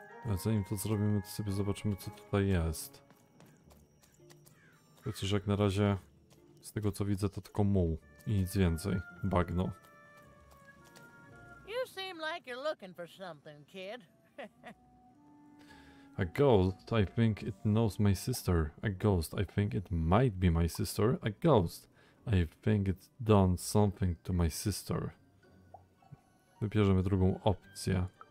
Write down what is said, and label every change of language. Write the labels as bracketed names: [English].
[Polish] A zanim to zrobimy, to sobie zobaczymy, co tutaj jest. Chociaż jak na razie, z tego co widzę, to tylko muł i nic więcej. Bagno. [English] You seem like you're looking for something, kid. A ghost, I think it knows my sister. A ghost, I think it might be my sister. A ghost, I think it's done something to my sister. [Polish] Wybierzemy drugą opcję.